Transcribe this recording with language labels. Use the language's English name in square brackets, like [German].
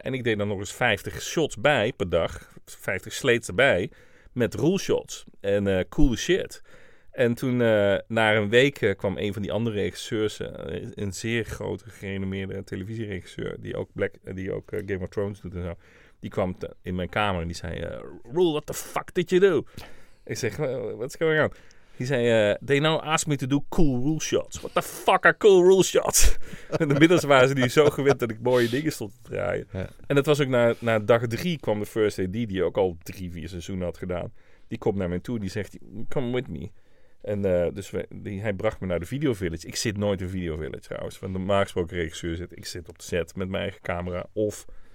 [Dutch] En ik deed dan nog eens 50 shots bij per dag, 50 sleets erbij, met rule shots en coole shit. En toen, na een week, kwam een van die andere regisseurs, een zeer grote, gerenommeerde televisieregisseur, die ook Game of Thrones doet en zo, die kwam in mijn kamer en die zei, Roel, [English] what the fuck did you do? [Dutch] Ik zeg, [English] what's going on? [Dutch] Die zei, [English] they now ask me to do cool rule shots. What the fuck are cool rule shots? [Dutch] En inmiddels waren ze die zo gewend dat ik mooie dingen stond te draaien. Ja. En dat was ook na dag 3 kwam de first AD, die ook al 3-4 seizoenen had gedaan. Die komt naar mij toe en die zegt, [English] come with me. [Dutch] En hij bracht me naar de Video Village. Ik zit nooit in Video Village trouwens. Want normaal gesproken regisseur zit. Ik zit op de set met mijn eigen camera. Of